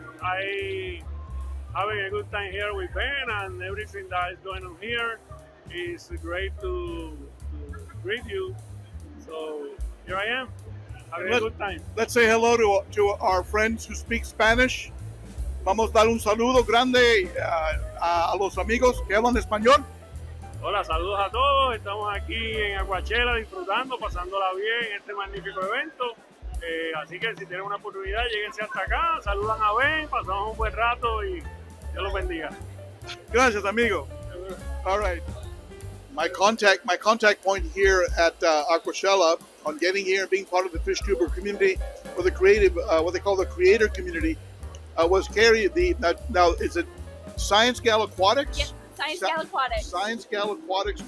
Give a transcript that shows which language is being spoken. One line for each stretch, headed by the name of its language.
English: I'm having a good time here with Ben, and everything that is going on here is great to greet you. So here I am, having a good time. Let's say hello to our friends who speak Spanish.
Spanish: Vamos dar un saludo grande a los amigos que hablan español. Hola, saludos a todos. Estamos aquí en Aquashella disfrutando, pasándola bien en este magnífico evento. Así que si tienen una oportunidad, lléguense hasta acá, saludan a Ben, pasamos un buen rato y Dios los bendiga. Gracias, amigo.
English: All right. My contact point here at Aquashella on getting here and being part of the fish tuber community, or the creative, what they call the creator community, was Cory. Now is it Science Gal Aquatics? Yeah. Science Gal Aquatics